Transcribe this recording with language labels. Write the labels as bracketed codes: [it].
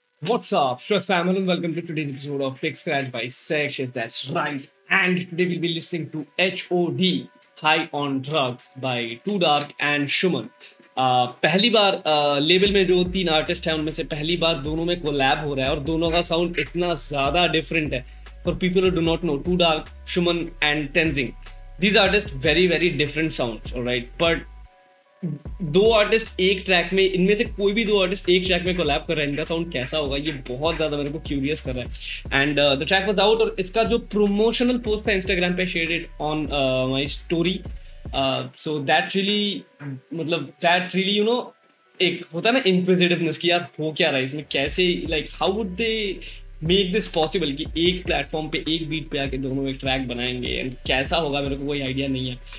[en] What's up, Stress Family, and welcome to today's episode of Big Scratch Bisects. Yes, that's right. And today we'll be listening to H.O.D, High on Drugs by Too Dark and Shuman. [hi] पहली बार label में जो तीन artist हैं उनमें से पहली बार दोनों में कोलैब हो रहा है और दोनों का साउंड इतना ज़्यादा डिफरेंट है. [en] For people who do not know, Too Dark, Shuman and Tenzing. These artists very very different sounds, alright? [hi] But दो आर्टिस्ट एक ट्रैक में, इनमें से कोई भी दो आर्टिस्ट एक ट्रैक में कोलैब कर रहे हैं, इनका साउंड कैसा होगा ये बहुत ज़्यादा मेरे को क्यूरियस कर रहा है. [en] and the track was out [hi] और इसका जो [en] Promotional post था Instagram पे share it on my story. So that really [hi] मतलब [en] that really you know [hi] एक होता है ना इंक्विजिटिवनेस की यार हो क्या रहा है इसमें, कैसे [en] like how would they make this possible [hi] कि एक प्लेटफॉर्म पे एक बीट पे आके दोनों एक ट्रैक बनाएंगे एंड कैसा होगा मेरे को कोई आइडिया नहीं है.